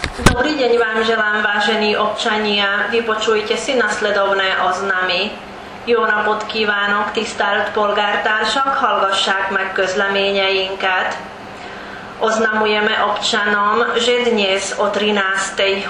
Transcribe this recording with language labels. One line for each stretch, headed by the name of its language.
Slovak: Dobrý deň vám želám, vážení občania. Vypočujte si nasledovné oznamy.
Hungarian: Jó napot kívánok, tisztelt polgártársak, hallgassák meg közleményeinket.
Slovak: Oznamujeme občanom, že dnes o 13.